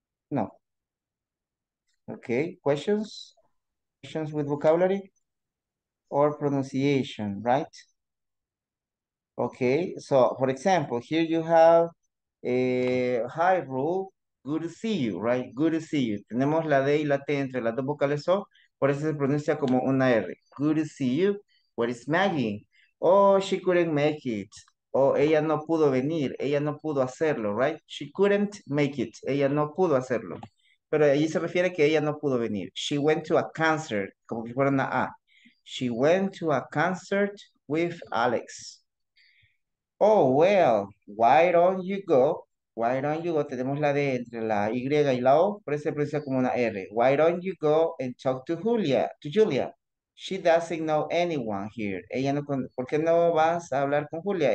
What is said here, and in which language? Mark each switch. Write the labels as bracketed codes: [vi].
[en] No. Okay, questions? Questions with vocabulary or pronunciation, right? Okay, so for example, here you have a hi, Raul. Good to see you, right? Good to see you. [es] Tenemos la D y la T entre las dos vocales O, por eso se pronuncia como una R. [en] Good to see you. Where is Maggie? Oh, she couldn't make it. [es] Oh, ella no pudo venir. Ella no pudo hacerlo, right? [en] She couldn't make it. [es] Ella no pudo hacerlo. Pero allí se refiere que ella no pudo venir. [en] She went to a concert, [es] como que fuera una A. [en] She went to a concert with Alex. Oh, well, why don't you go? Why don't you go? [es] Tenemos la D entre la Y y la O, pero se pronuncia como una R. [en] Why don't you go and talk to Julia? To Julia. She doesn't know anyone here. [es] Ella no, ¿por qué no vas a hablar con Julia?